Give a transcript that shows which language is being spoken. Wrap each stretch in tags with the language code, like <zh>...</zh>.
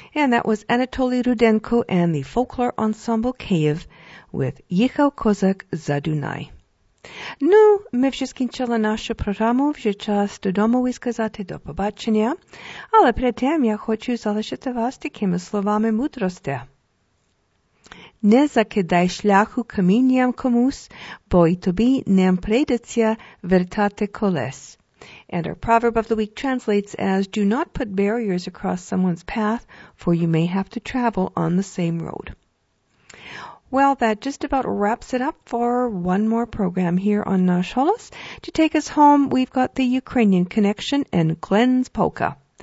<en>That was Anatoly Rudenko and the Folklore Ensemble Kyiv with Jichał Kozak za Dunaj.</en> <uk>Ну, ми вже скінчили нашу програму, вже час додому висказати до побачення. Але перед тим я хочу залишити вас такими словами мудрості. Не закидай шляху камінням комусь, бо й тобі не прийдеться вертати колес.</uk> <en>And our proverb of the week translates as, do not put barriers across someone's path, for you may have to travel on the same road. Well, that just about wraps it up for one more program here on Nash Holos. To take us home, we've got the Ukrainian Connection and Glenn's Polka.</en>